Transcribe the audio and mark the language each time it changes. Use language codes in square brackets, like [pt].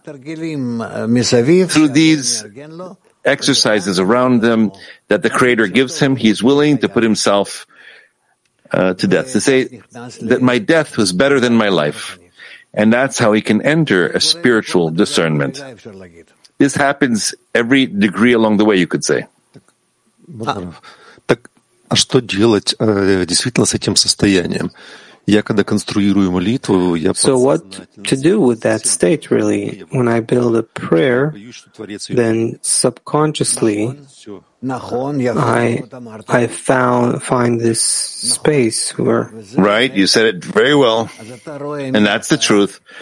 [en] Through these exercises around them that the Creator gives him, he's willing to put himself to death, to say that my death was better than my life. And that's how he can enter a spiritual discernment. This happens every degree along the way, you could say. [ru] А что делать действительно с этим состоянием? Я когда конструирую молитву, я [en] So what to do with that state really? When I build a prayer, then subconsciously I find this space where Right, you said it very well. And that's the truth.